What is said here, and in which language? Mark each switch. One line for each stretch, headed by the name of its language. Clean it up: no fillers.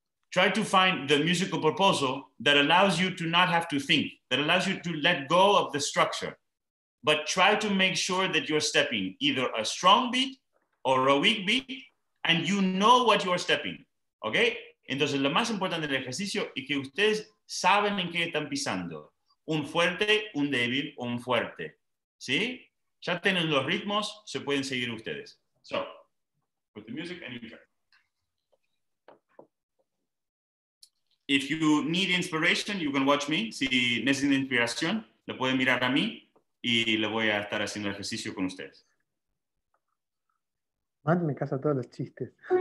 English: Try to find the musical proposal that allows you to not have to think, that allows you to let go of the structure. But try to make sure that you're stepping either a strong beat or a weak beat, and you know what you're stepping, okay?
Spanish: Entonces, lo más importante del ejercicio es que ustedes saben en qué están pisando. Un fuerte, un débil, un fuerte. ¿Sí? Ya tienen los ritmos, se pueden seguir ustedes.
English: So, put the music and you try. If you need inspiration, you can watch me.
Spanish: Si necesitan inspiración, lo pueden mirar a mí y le voy a estar haciendo el ejercicio con ustedes. Man, me casa todos los chistes.